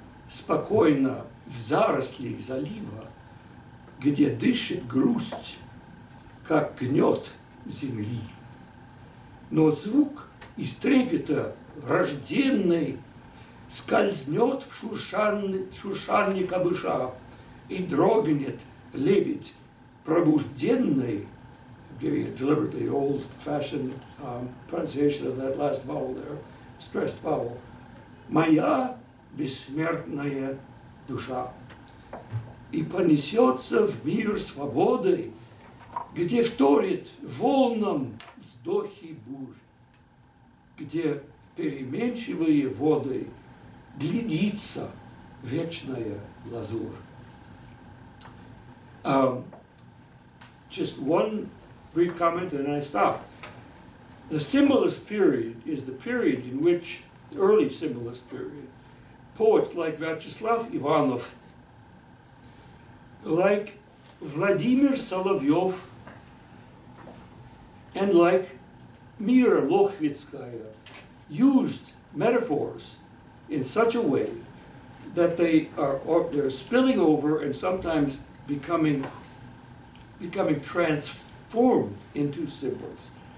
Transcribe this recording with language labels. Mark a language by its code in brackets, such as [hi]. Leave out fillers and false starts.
[ru] Спокойно в зарослях залива, где дышит грусть, как гнет земли. Но звук из трепета рожденный скользнет в шуршанье камыша и дрогнет лебедь пробужденный. [en] Giving a deliberately old-fashioned pronunciation of that last vowel there, stressed vowel. [ru] Моя бессмертная душа. И понесется в мир свободы, где вторит волнам вздохи бурь, где переменчивые воды глядится вечная лазурь. [en] Just one brief comment and I stop. The symbolist period is the period in which, the early symbolist period, poets like Vyacheslav Ivanov, like Vladimir Solovyov, and like Mira Lochvitskaya used metaphors in such a way that they're spilling over and sometimes becoming transformed into symbols.